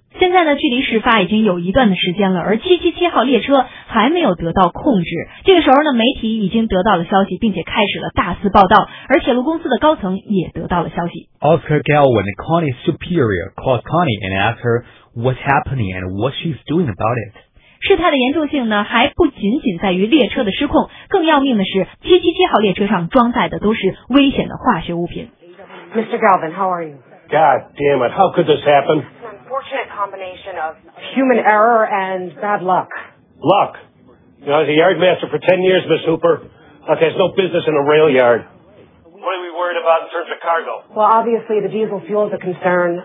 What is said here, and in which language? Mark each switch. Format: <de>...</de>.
<zh>现在呢距离事发已经有一段的时间了而777号列车还没有得到控制这个时候呢媒体已经得到了消息并且开始了大肆报道而铁路公司的高层也得到了消息</zh> <en>Oscar Galvin Connie's superior called Connie and asked her what's happening and what she's doing about it</en> <zh>事态的严重性呢还不仅仅在于列车的失控更要命的是777号列车上装载的都是危险的化学物品</zh> <en>Mr. Galvin, how are you? God damn it, how could this happen? It's an unfortunate combination of human error and bad luck. Luck? You know, I was a yardmaster for 10 years, Miss Hooper. Look, there's no business in a rail yard. What are we worried about in terms of cargo? Well, obviously the diesel fuel is a concern.</en>